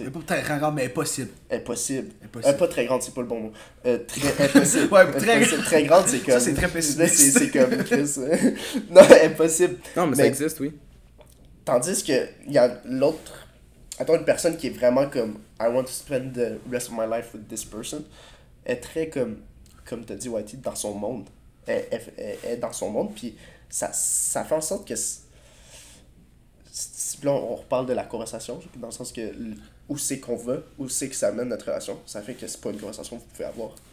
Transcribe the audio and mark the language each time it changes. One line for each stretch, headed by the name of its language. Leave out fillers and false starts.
French: tu sais. Pas très grande, mais impossible. Impossible. Pas très grande, c'est pas le bon mot. Impossible. Ouais, impossible. Très grande, c'est comme... Ça, c'est très pessimiste. C'est comme Chris. Non, impossible. Non, mais ça existe, oui. Tandis que, il y a l'autre... Attends, une personne qui est vraiment comme...
English: I want to spend the rest of my life with this person.
French: Est très comme... Comme t'as dit, Whitey, dans son monde. Est dans son monde, puis ça fait en sorte que... Là, on reparle de la conversation, dans le sens que où c'est qu'on va, où c'est que ça mène notre relation, ça fait que c'est pas une conversation que vous pouvez avoir.